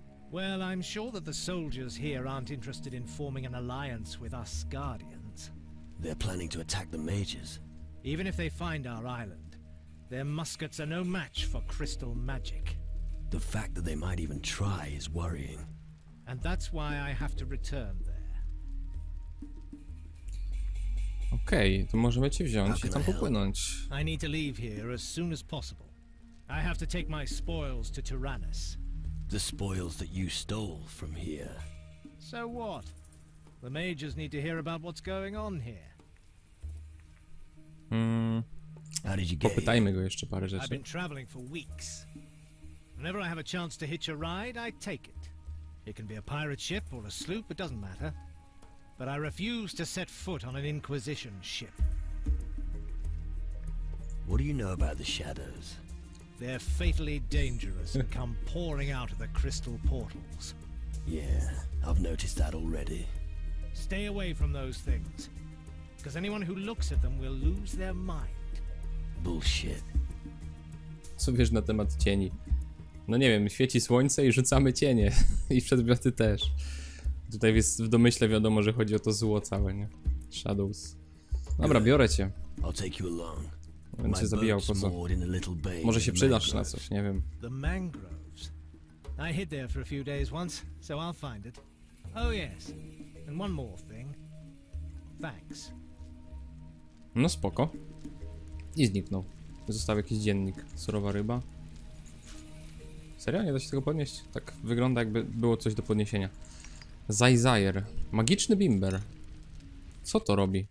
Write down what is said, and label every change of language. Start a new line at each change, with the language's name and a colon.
English: Well, I'm sure that the soldiers here aren't interested in forming an alliance with us Guardians. They're planning to attack the mages. Even if they find our island, their muskets are no match for crystal magic. The fact that they might even try is worrying. And that's why I have to return there.
Polish: Okay, to możemy cię wziąć i tam popłynąć.
English: I need to leave here as soon as possible. I have to take my spoils to Tyrannus. The spoils that you stole from here. So what? The mages need to hear about what's going on here. How did you get here?
Polish: Popytajmy go jeszcze parę rzeczy.
English: I've been traveling for weeks. Whenever I have a chance to hitch a ride, I take it. It can be a pirate ship or a sloop, it doesn't matter. But I refuse to set foot on an Inquisition ship. What do you know about the shadows? They're fatally dangerous and come pouring out of the crystal portals. Yeah, I've noticed that already. Stay away from those things. Because anyone who looks at them will lose their mind. Bullshit.
Polish: Co wiesz na temat cieni? No nie wiem, świeci słońce i rzucamy cienie. I przedmioty też. Tutaj jest w domyśle wiadomo, że chodzi o to zło całe, nie?
English: Shadows.
Polish: Dobra, biorę cię.
English: I'll take you along.
Polish: Będę się zabijał, po co? Może się przydasz na coś, nie wiem.
English: The mangroves. I hid there for a few days once, so I'll find it. Oh yes. And one more thing. Thanks.
Polish: No spoko. I zniknął. Zostawił jakiś dziennik. Surowa ryba. Serio? Nie da się tego podnieść? Tak wygląda, jakby było coś do podniesienia. Zajzajer. Magiczny bimber. Co to robi?